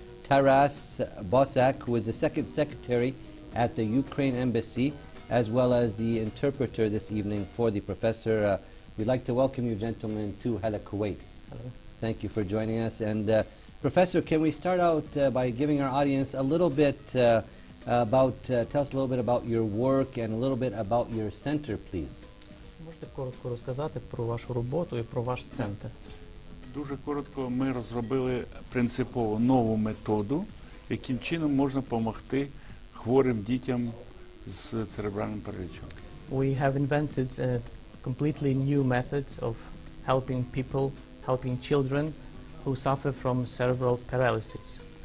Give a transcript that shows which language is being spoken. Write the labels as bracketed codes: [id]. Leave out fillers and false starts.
[en] Taras Bosak, who is the second secretary at the Ukraine Embassy, as well as the interpreter this evening for the professor. We'd like to welcome you gentlemen to Hala Kuwait. Hello. Thank you for joining us. And Professor, can we start out by giving our audience a little bit about, tell us a little bit about your work and a little bit about your center, please. [uk] Можете коротко розказати про вашу роботу і про ваш центр? Дуже коротко, ми розробили принципово нову методу, яким чином можна допомогти хворим дітям з церебральним паралічем. [en] We have invented a completely new method of helping people, helping children who suffer from cerebral paralysis.